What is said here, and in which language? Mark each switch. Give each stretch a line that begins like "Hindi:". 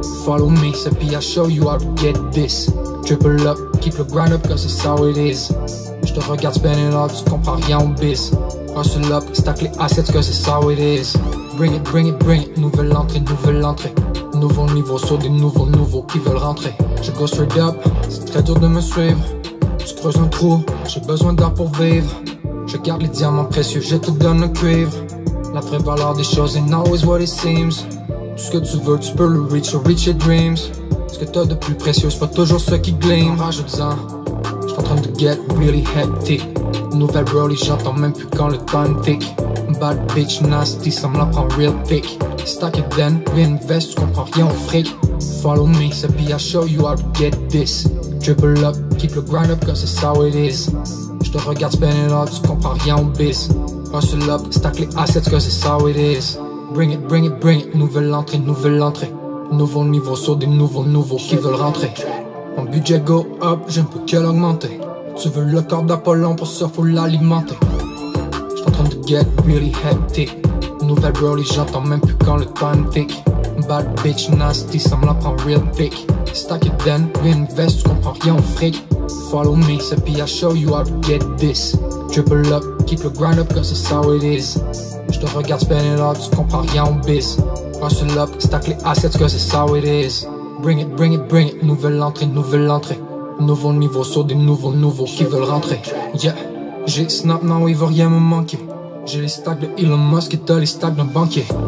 English: Follow me, Seppi, I'll show you how to get this. Triple up, keep the grind up, cause it's how it is.
French: Je te regarde
English: spend it all,
French: tu comprends rien au biz.
English: Hustle up, stack les assets, cause it's how it is. Bring it, bring it, bring it,
French: nouvelle entrée, nouvelle entrée. Nouveau niveau sur des nouveaux, nouveaux qui veulent rentrer. Je
English: go straight up,
French: c'est très dur de me suivre. Tu creuses un trou, j'ai besoin d'art pour vivre. Je garde les diamants précieux, je te donne le cuivre. La vraie valeur des choses
English: is not always what it seems.
French: Tout ce que tu veux, tu peux le reach,
English: or reach your dreams.
French: Ce que t'as de plus précieux, c'est pas toujours ce qui gleam. Rajoute-en, j'suis en train de
English: get really hectic.
French: Nouvelle bro, les j'entends même plus quand le
English: time tick. Bad bitch nasty,
French: ça me la prend
English: real thick. Stack it then, reinvest,
French: tu comprends rien au fric.
English: Follow me, Seppi, I'll show you how to get this. Dribble up, keep the grind up, cause it's how it is.
French: Je te regarde
English: spend it all,
French: tu comprends rien au biz.
English: Hustle up, stack les assets, cause it's how it is. Bring it, bring it, bring it,
French: nouvelle entrée, nouvelle entrée. Nouveau niveau sur des nouveaux, nouveaux qui veulent rentrer. Mon budget
English: go up,
French: je ne peux que l'augmenter. Tu veux le corps d'Apollon pour ça, faut l'alimenter. J'suis en train de
English: get really hectic.
French: Nouvelle bro, les j'entends même plus quand le
English: time tick. Bad bitch nasty,
French: ça me la prend
English: real thick. Stack it then, reinvest,
French: tu comprends rien au fric.
English: Follow me, Seppi, I'll show you how to get this. Triple up, keep the grind up, cause it's how it is.
French: Je te regarde
English: spend it all,
French: tu comprends rien au biz.
English: Hustle up, stack les assets, cause it's how it is. Bring it, bring it, bring it,
French: nouvelle entrée, nouvelle entrée. Nouveau niveau sur des nouveaux, nouveaux qui veulent rentrer. Yeah, j'ai snap, now il veut rien me manquer. J'ai les stacks de Elon Musk et t'as les stacks d'un banquier.